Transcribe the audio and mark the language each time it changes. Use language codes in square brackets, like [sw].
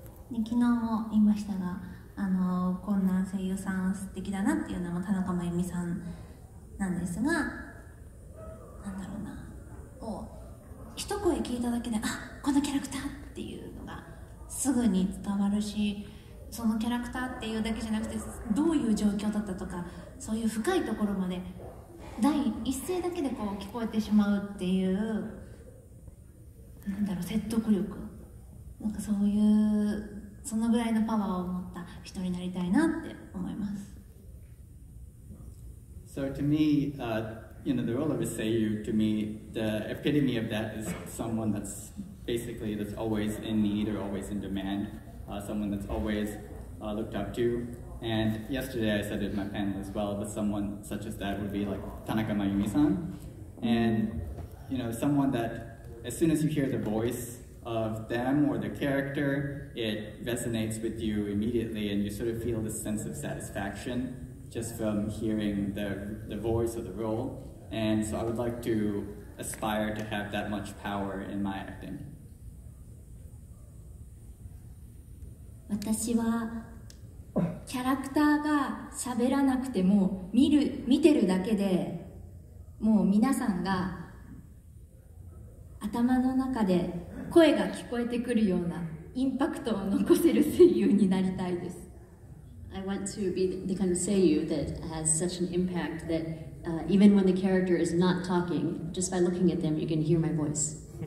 [ja] で昨日も言いましたが、こんな声優さん素敵だなっていうのも田中真由美さんなんですが、なんだろうな、こう一声聞いただけで、あ、このキャラクターっていうのがすぐに伝わるし、そのキャラクターっていうだけじゃなくて、どういう状況だったとか、そういう深いところまで第一声だけでこう聞こえてしまうっていう、なんだろう、説得力、なんかそういう、そのぐらいのパワーを持った人になりたいなって思います。 [en] So to me, you know, the role of a seiyuu, to me, the epitome of that is someone that's basically that's always in need or always in demand. Someone that's always looked up to. And yesterday I said it in my panel as well, but someone such as that would be like Tanaka Mayumi-san. And, you know, someone that as soon as you hear the voice of them or the character, it resonates with you immediately and you sort of feel this sense of satisfaction just from hearing the voice or the role. And so I would like to aspire to have that much power in my acting. [ja] 私はキャラクターが喋らなくても見てるだけでもう皆さんが頭の中で声が聞こえてくるようなインパクトを残せる声優になりたいです。 [en] I want to be the kind of 声優 that has such an impact that even when the character is not talking, just by looking at them, you can hear my voice.